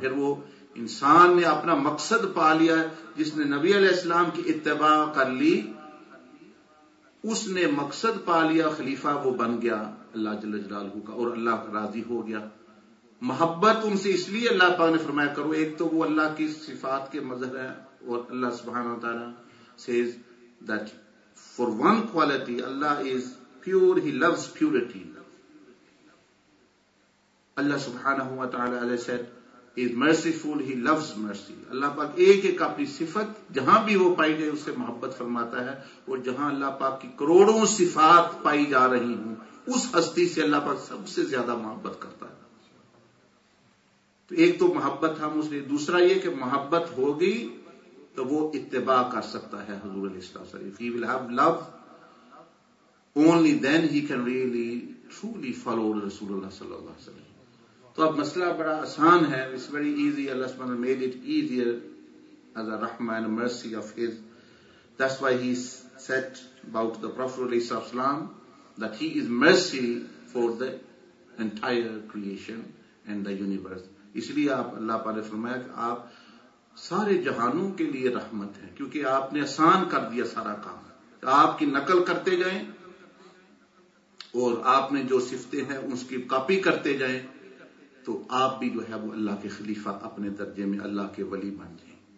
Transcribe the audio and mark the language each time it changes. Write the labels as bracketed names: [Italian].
[Urdu] پھر وہ انسان نے اپنا مقصد پا لیا ہے، جس نے نبی علیہ السلام کی اتباع کر لی اس نے مقصد پا لیا، خلیفہ وہ بن گیا اللہ جل جلالہ کا اور اللہ راضی ہو گیا. محبت ان سے اس لیے اللہ پاک نے فرمایا کرو، ایک تو وہ اللہ کی صفات کے مظہر ہیں اور اللہ سبحانہ وتعالی [English] says that for one quality [Urdu] Allah [English] is pure, he loves purity. اللہ سبحانہ وتعالی علیہ said is merciful, he loves mercy. [Urdu] اللہ پاک ایک ایک اپنی صفت جہاں بھی وہ پائی گئی اس سے محبت فرماتا ہے، اور جہاں اللہ پاک کی کروڑوں صفات پائی جا رہی ہوں اس ہستی سے اللہ پاک سب سے زیادہ محبت کرتا ہے. تو ایک تو محبت ہم اس لیے، دوسرا یہ کہ محبت ہوگی تو وہ اتباع کر سکتا ہے حضور علیہ السلام. [English] He will have love, only then he can really truly follow رسول اللہ صلی اللہ علیہ وسلم. [Urdu] تو اب مسئلہ بڑا آسان ہے، [English] It's very easy, اللہ سبحانہ made it easier as a رحمہ and mercy of his. That's why he said about the prophet علیہ الصلوۃ والسلام that he is mercy for the entire creation and the universe. [Urdu] اس لیے آپ اللہ پاک نے فرمایا کہ آپ سارے جہانوں کے لیے رحمت ہیں، کیونکہ آپ نے آسان کر دیا سارا کام. آپ کی نقل کرتے جائیں اور آپ نے جو صفتیں ہیں اس کی کاپی کرتے جائیں تو آپ بھی جو ہے وہ اللہ کے خلیفہ اپنے درجے میں اللہ کے ولی بن جائیں.